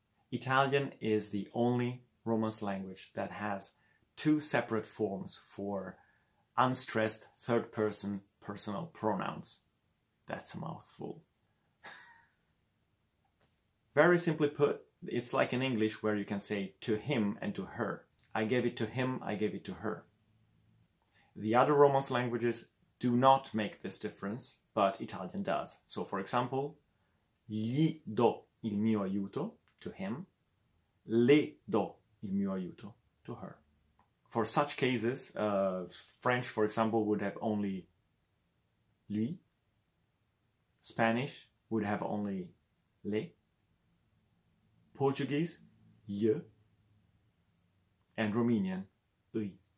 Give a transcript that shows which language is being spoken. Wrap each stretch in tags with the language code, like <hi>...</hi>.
<en>Italian is the only Romance language that has two separate forms for unstressed third-person personal pronouns. That's a mouthful. Very simply put, it's like in English where you can say to him and to her. I gave it to him, I gave it to her. The other Romance languages do not make this difference, but Italian does. So for example,</en> <it>gli do il mio aiuto,</it> <en>to him,</en> <it>le do il mio aiuto,</it> <en>to her. For such cases, French, for example, would have only lui. Spanish would have only le. Portuguese, je. And Romanian, îi.</en>